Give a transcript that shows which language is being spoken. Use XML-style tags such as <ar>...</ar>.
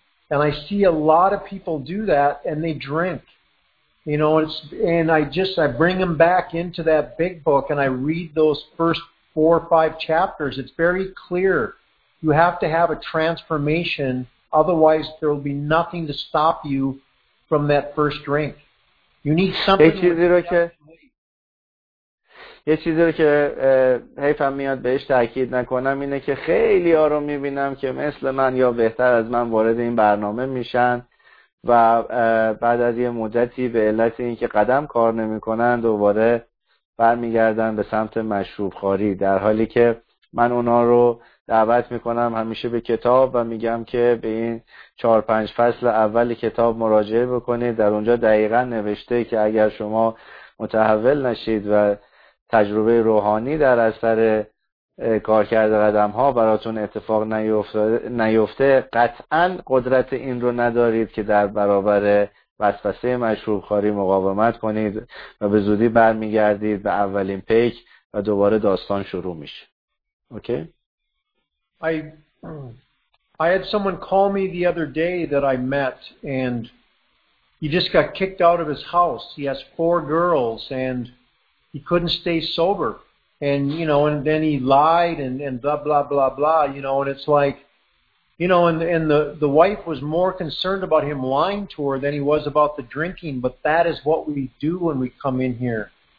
<en>And I see a lot of people do that, and they drink. You know, I bring them back into that big book, and I read those first 4 or 5 chapters. It's very clear. You have to have a transformation, otherwise there will be nothing to stop you from that first drink. You need something.</en> <fa>یه چیزی رو که حیفم میاد بهش تاکید نکنم اینه که خیلی ها رو میبینم که مثل من یا بهتر از من وارد این برنامه میشن و بعد از یه مدتی به علت اینکه قدم کار نمی کنن دوباره برمیگردن به سمت مشروب خاری، در حالی که من اونا رو دعوت میکنم همیشه به کتاب و میگم که به این 4-5 فصل اول کتاب مراجعه بکنید. در اونجا دقیقا نوشته که اگر شما متحول نشید و تجربه روحانی در اثر کار کرده قدم ها براتون اتفاق نیفته قطعا قدرت این رو ندارید که در برابر وسوسه مشروب خاری مقاومت کنید و به زودی برمیگردید به اولین پیک و دوباره داستان شروع میشه. اوکی؟</fa> <en>I had someone call me the other day that I met, and he just got kicked out of his house. He has 4 girls, and he couldn't stay sober. And, you know, and then he lied and blah, blah, blah, blah, you know, and it's like, you know, and the wife was more concerned about him lying to her than he was about the drinking, but that is what we do when we come in here.</en>